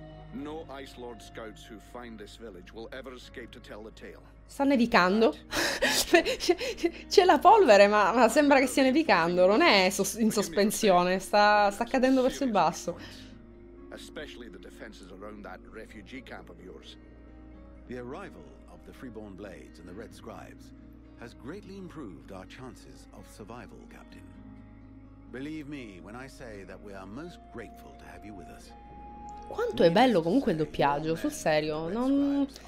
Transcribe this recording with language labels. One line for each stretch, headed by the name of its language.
English: No Ice Lord scouts who find this village will ever escape to tell the tale.
Italian: Sta nevicando? C'è la polvere, ma sembra che stia nevicando. Non è in sospensione, sta cadendo verso il basso.
English: Especially the defenses around that refugee camp of yours. The arrival of the Freeborn Blades and the Red Scribes has greatly improved our chances of survival, Captain. Believe me when I say that we are most grateful to have you with us.
Italian: Quanto è bello comunque il doppiaggio, sul serio, non...